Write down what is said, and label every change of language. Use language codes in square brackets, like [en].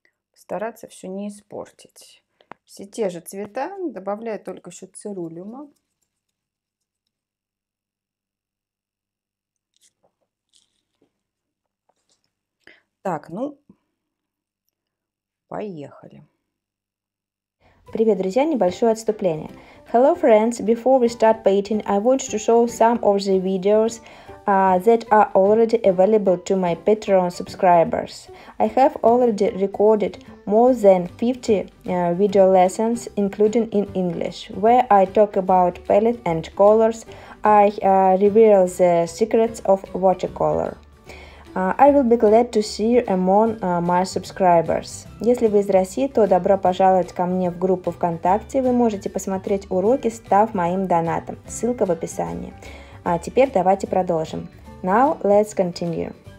[ru] Постараться все не испортить. Все те же цвета, добавляю только еще цирулюма. Так, ну, поехали. Привет, друзья, небольшое отступление. [en] Hello, friends. Before we start painting, I want to show some of the videos that are already available to my Patreon subscribers. I have already recorded more than 50 video lessons, including in English, where I talk about palette and colors. I reveal the secrets of watercolor. I will be glad to see you among my subscribers. [ru] Если вы из России, то добро пожаловать ко мне в группу ВКонтакте. Вы можете посмотреть уроки, став моим донатом. Ссылка в описании. А теперь давайте продолжим. [en] Now let's continue.